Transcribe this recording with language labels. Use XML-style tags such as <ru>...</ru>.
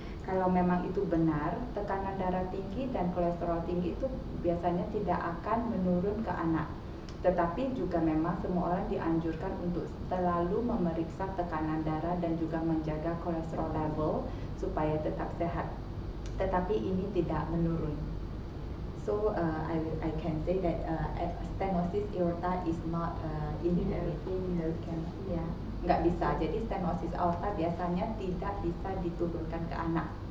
<id>Kalau memang itu benar, tekanan darah tinggi dan kolesterol tinggi itu biasanya tidak akan menurun ke anak. Tetapi juga memang semua orang dianjurkan untuk selalu memeriksa tekanan darah dan juga menjaga kolesterol level supaya tetap sehat. Tetapi ini tidak menurun.</id> <en>So I can say that stenosis aorta is not inherited. Yeah.</en> <id>Nggak bisa, jadi stenosis aorta biasanya tidak bisa diturunkan ke anak.</id>